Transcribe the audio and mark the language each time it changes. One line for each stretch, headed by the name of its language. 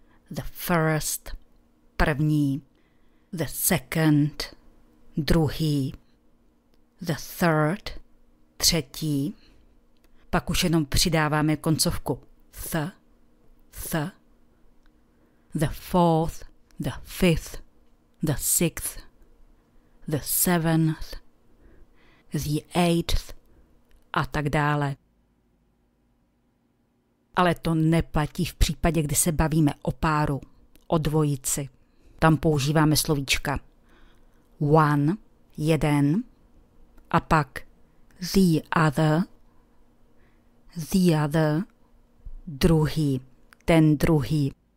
English: the first, první, the second, druhý, the third, třetí.
Czech: Pak už jenom přidáváme koncovku th, th,
English: the fourth, the fifth, the sixth, the seventh, the eighth,
Czech: a tak dále. Ale to neplatí v případě, kdy se bavíme o páru, o dvojici. Tam používáme slovíčka one, jeden, a pak the other, druhý, ten druhý.